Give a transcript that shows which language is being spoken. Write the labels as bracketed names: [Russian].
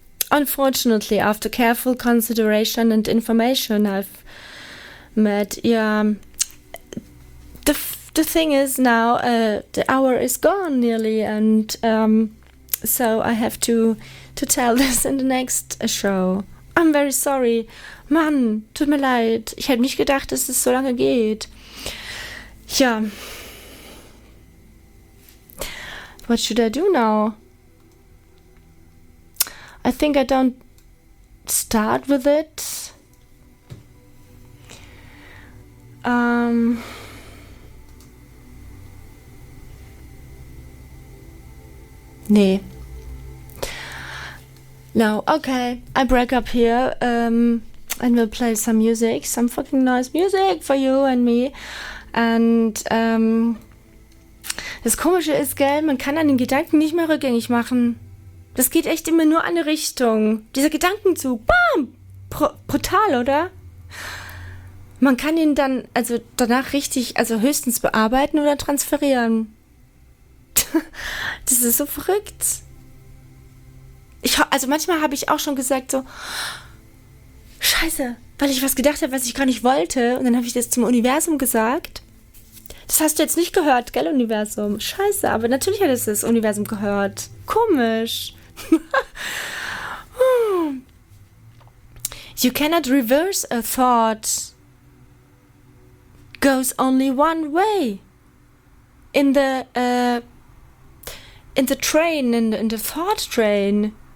[English] unfortunately, after careful consideration and information, I've met. Yeah, the thing is now the hour is gone nearly, and so I have to tell this in the next show. I'm very sorry. [German] Mann, tut mir leid. Ich hätte nicht gedacht, dass es so lange geht. Ja. [English] What should I do now? I think I don't start with it. [German] Nee. [English] No, okay. I break up here. And we'll play some music, some fucking nice music for you and me. [German] And das Komische ist, gell, man kann an den Gedanken nicht mehr rückgängig machen. Das geht echt immer nur eine Richtung. Dieser Gedankenzug, bam, brutal, oder? Man kann ihn dann, also danach richtig, also höchstens bearbeiten oder transferieren. Das ist so verrückt. Also manchmal habe ich auch schon gesagt so, Scheiße, weil ich was gedacht habe, was ich gar nicht wollte. Und dann habe ich das zum Universum gesagt. Das hast du jetzt nicht gehört, gell, Universum? Scheiße, aber natürlich hat es das Universum gehört. Komisch. [English] You cannot reverse a thought. Goes only one way. In the train, in the thought train.